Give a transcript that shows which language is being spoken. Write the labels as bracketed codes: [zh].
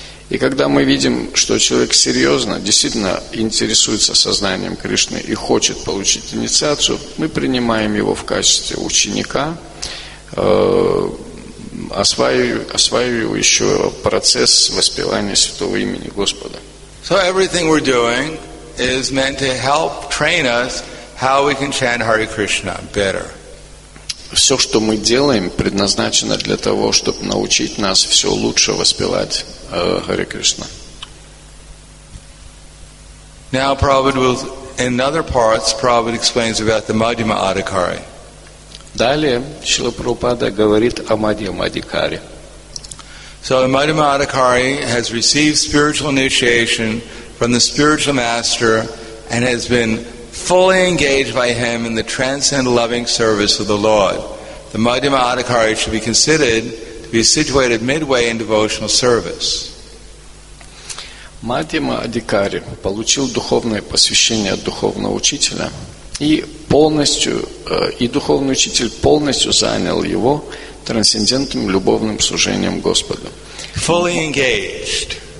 [ru] И когда мы видим, что человек серьезно, действительно интересуется сознанием Кришны и хочет получить инициацию, мы принимаем его в качестве ученика, осваивающего процесс воспевания святого имени Господа. [en] So everything we're doing is meant to help train us how we can chant Hare Krishna better. [ru] Все, что мы делаем, предназначено для того, чтобы научить нас все лучше воспевать Hare Krishna. [en] Now, Prabhupada will, in other parts, Prabhupada explains about the Madhyama Adhikari. [ru] Далее Шрила Прабхупада говорит о Мадхьяма Адхикари. [en] So, the Madhyama Adhikari has received spiritual initiation from the spiritual master and has been fully engaged by him in the transcendental loving service of the Lord. The Madhyama Adhikari should be considered be situated midway in devotional service. [ru] Мадхьяма Адхикари получил духовное посвящение от духовного учителя и духовный учитель полностью занял его трансцендентным любовным служением Господу. [en] Fully engaged.